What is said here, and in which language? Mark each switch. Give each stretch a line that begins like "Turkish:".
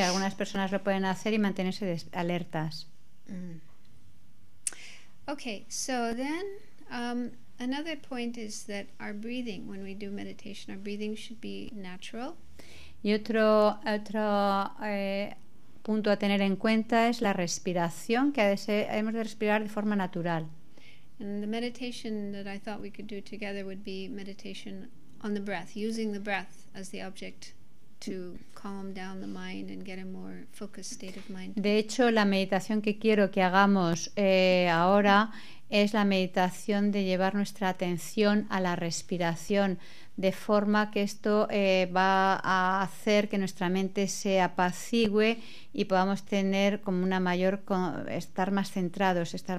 Spanish: Algunas personas lo pueden hacer y mantenerse alertas.
English: Okay, so then another point is that our breathing, when we do meditation, our breathing should be natural.
Spanish: Y otro punto a tener en cuenta es la respiración, que hemos de respirar de forma natural.
English: And the meditation that I thought we could do together would be meditation on the breath, using the breath as the object to calm down the mind and get a more focused state of mind.
Spanish: De hecho, la meditación que quiero que hagamos ahora es la meditación de llevar nuestra atención a la respiración, de forma que esto va a hacer que nuestra mente se apacigüe y podamos tener como una mayor estar más centrados.